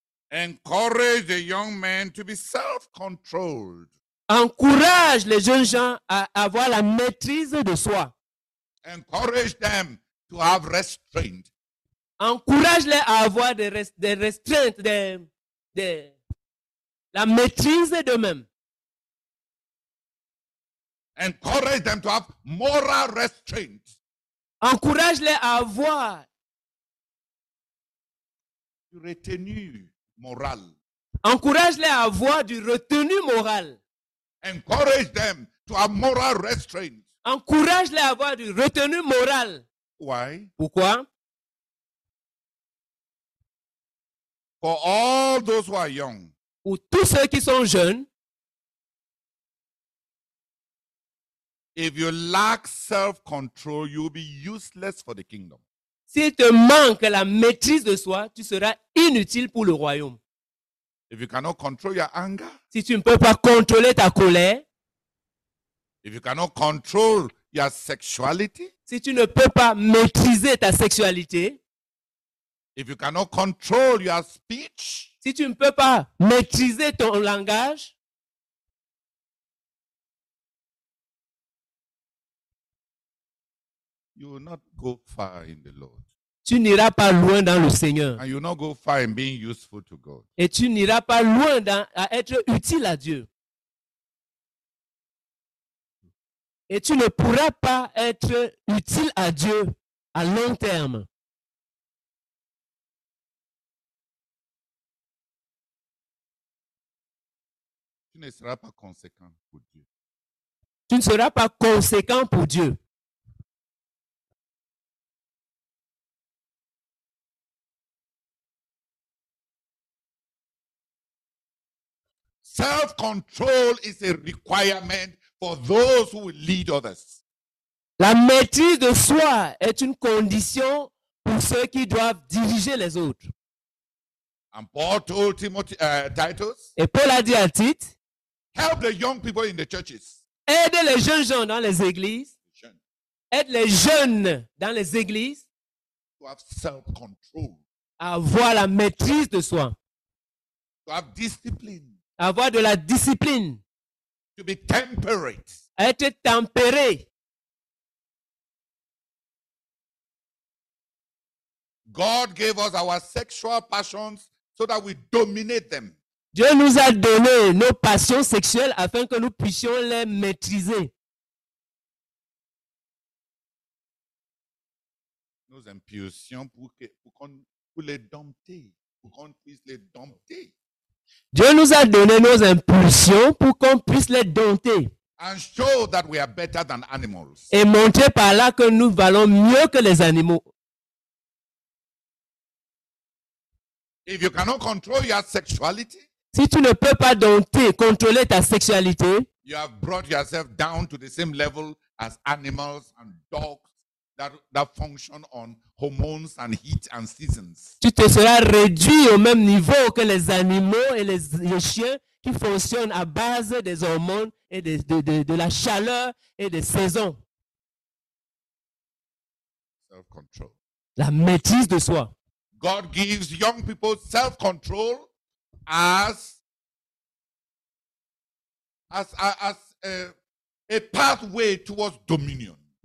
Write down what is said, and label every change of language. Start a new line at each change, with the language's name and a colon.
English: encourage the young men to be self-controlled.
French: Encourage les jeunes gens à avoir la maîtrise de soi.
English: Encourage them to have restraint.
French: Encourage-les à avoir des restraints, la maîtrise d'eux-mêmes.
English: Encourage them to have moral restraint.
French: Encourage-les à avoir du retenue moral. Encourage-les à avoir du retenue moral.
English: Encourage them to have moral restraint.
French: Encourage-les à avoir du retenue moral.
English: Why?
French: Pourquoi?
English: For all those who are young.
French: Pour tous ceux qui sont jeunes.
English: If you lack self-control, you will be useless for the kingdom.
French: Si tu manques la maîtrise de soi, tu seras inutile pour le royaume.
English: If you cannot control your anger,
French: si tu ne peux pas contrôler ta colère,
English: if you cannot control your sexuality,
French: si tu ne peux pas maîtriser ta sexualité,
English: if you cannot control your speech,
French: si tu ne peux pas maîtriser ton langage,
English: you will not go far in the Lord.
French: Tu n'iras pas loin dans le Seigneur.
English: And you will not go far in being useful to God.
French: Et tu n'iras pas loin à être utile à Dieu. Et tu ne pourras pas être utile à Dieu à long terme. Tu ne seras pas conséquent pour Dieu. Tu ne seras pas conséquent pour Dieu.
English: Self-control is a requirement for those who will lead others.
French: La maîtrise de soi est une condition pour ceux qui doivent diriger les autres.
English: And Paul told Titus.
French: Et Paul a dit à Tite.
English: Help the young people in the churches.
French: Aide les jeunes gens dans les églises. Aide les jeunes dans les églises.
English: To have self-control.
French: Avoir la maîtrise de soi.
English: To have discipline.
French: Avoir de la discipline.
English: To be temperate.
French: Être tempéré.
English: God, God gave us our sexual passions so that we dominate them.
French: Dieu nous a donné nos passions sexuelles afin que nous puissions les maîtriser. Nos impulsions pour les dompter, pour qu'on puisse les dompter. Dieu nous a donné nos impulsions pour qu'on puisse les dompter.
English: And show that we are better than animals.
French: Et montrer par là que nous valons mieux que les animaux.
English: If you cannot control your sexuality,
French: si tu ne peux pas dompter, contrôler ta sexualité,
English: you have brought yourself down to the same level as animals and dogs that function on hormones and heat and seasons.
French: Tu te seras réduit au même niveau que les animaux et les chiens qui fonctionnent à base des hormones et de la chaleur et des saisons.
English: Self-control.
French: La maîtrise de soi.
English: God gives young people self-control as a pathway towards dominion.